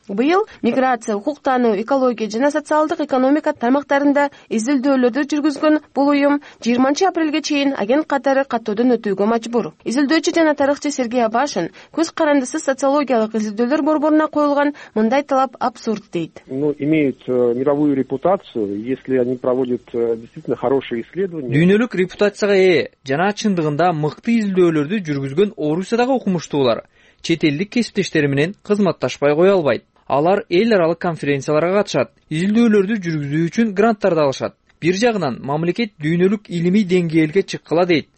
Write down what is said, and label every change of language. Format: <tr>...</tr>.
<ky>Быйыл миграция, укук таануу, экология жана социалдык экономика тармактарында изилдөөлөрдү жүргүзгөн бул уюм 20 апрелге чейин агент катары каттоодон өтүүгө мажбур. Изилдөөчү жана тарыхчы Сергей Абашин көз карандысыз социологиялык изилдөөлөр борборуна коюлган мындай талап абсурд, дейт.</ky> <ru>Ну, имеют мировую репутацию, если они проводят действительно хорошие исследования.</ru> <ky>Дүйнөлүк репутацияга ээ жана чындыгында мыкты изилдөөлөрдү жүргүзгөн Орусиядагы окумуштуулар чет элдик кесиптештери менен кызматташпай кое албайт. Алар эл аралык конференцияларга катышат, изилдөөлөрдү жүргүзүү үчүн гранттарды алышат. Бир жагынан мамлекет дүйнөлүк илимий деңгээлге чыккыла, дейт.</ky>